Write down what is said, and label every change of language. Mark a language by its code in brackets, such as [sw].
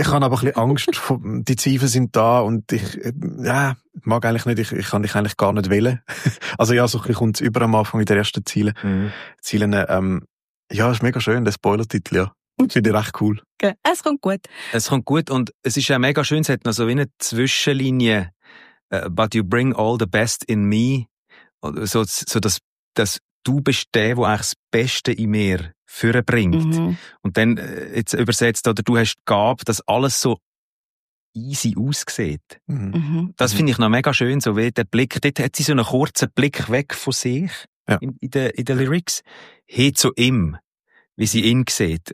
[de] Ich habe aber ein bisschen Angst, die Zweifel sind da und ich, mag eigentlich nicht, ich kann dich eigentlich gar nicht wählen. Also ja, so ein bisschen kommt es über am Anfang in den ersten Zielen. Zielen, ist mega schön, der Spoiler-Titel, ja. Und finde ich recht cool. Okay. Es kommt gut. Es kommt gut und es ist ja mega schön, es hat noch so wie eine Zwischenlinie. [en] But you bring all the best in me. [de] So dass du bist der, der eigentlich das Beste in mir vorbringt. Und dann jetzt übersetzt, oder du hast die Gabe, dass alles so easy aussieht. Das finde ich noch mega schön, so wie der Blick, dort hat sie so einen kurzen Blick weg von sich in den Lyrics, hin zu ihm, wie sie ihn sieht.